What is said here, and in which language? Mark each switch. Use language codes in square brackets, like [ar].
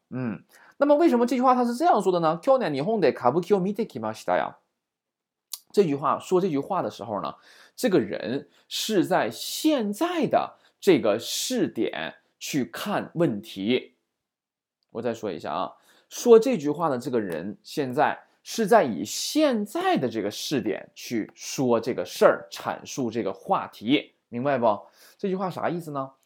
[zh] 嗯，那么为什么这句话他是这样说的呢？" [ja] 去年日本で歌舞伎を見てきました"呀？ [zh] 这句话说这句话的时候呢，这个人是在现在的这个试点去看问题。我再说一下啊，说这句话的这个人现在是在以现在的这个试点去说这个事儿，阐述这个话题，明白不？这句话啥意思呢？